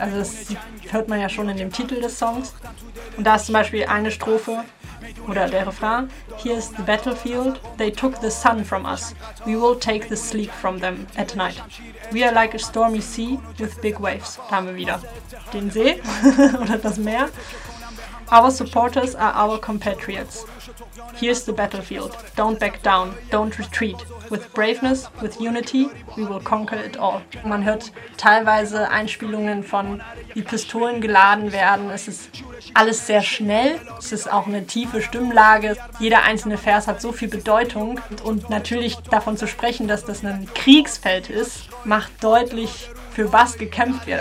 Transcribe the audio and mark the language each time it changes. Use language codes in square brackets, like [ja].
[de] Also das hört man ja schon in dem Titel des Songs. Und da ist zum Beispiel eine Strophe oder der Refrain. [en] Here is the battlefield. They took the sun from us. We will take the sleep from them at night. We are like a stormy sea with big waves. [de] Da haben wir wieder den See oder das Meer. [en] Our supporters are our compatriots. Here's the battlefield. Don't back down. Don't retreat. With braveness, with unity, we will conquer it all. [de] Man hört teilweise Einspielungen von, wie Pistolen geladen werden. Es ist alles sehr schnell. Es ist auch eine tiefe Stimmlage. Jeder einzelne Vers hat so viel Bedeutung. Und natürlich davon zu sprechen, dass das ein Kriegsfeld ist, macht deutlich, für was gekämpft wird.